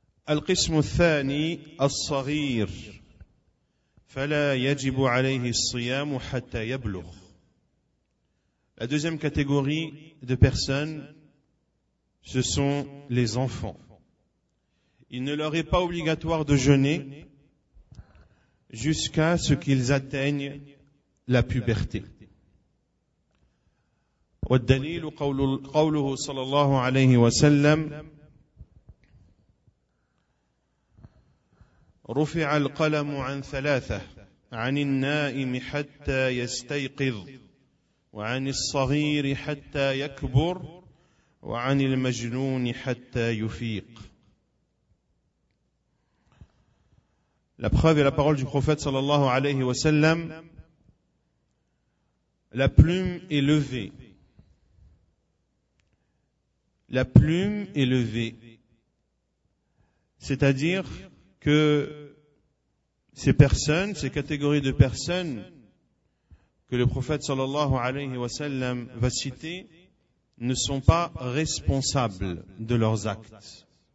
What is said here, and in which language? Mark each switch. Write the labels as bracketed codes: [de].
[ar] القسم الثاني الصغير فلا يجب عليه الصيام حتى يبلغ. [fr] La deuxième catégorie de personnes, ce sont les enfants. Il ne leur est pas obligatoire de jeûner jusqu'à ce qu'ils atteignent la puberté. [ar] والدليل قوله صلى الله عليه وسلم رفع القلم عن ثلاثة عن النائم حتى يستيقظ وعن الصغير حتى يكبر وعن المجنون حتى يفيق. [fr] La preuve est la parole du prophète sallallahu alayhi wa sallam. La plume est levée. La plume est levée. C'est-à-dire que ces personnes, ces catégories de personnes que le prophète sallallahu alayhi wa sallam va citer ne sont pas responsables de leurs actes.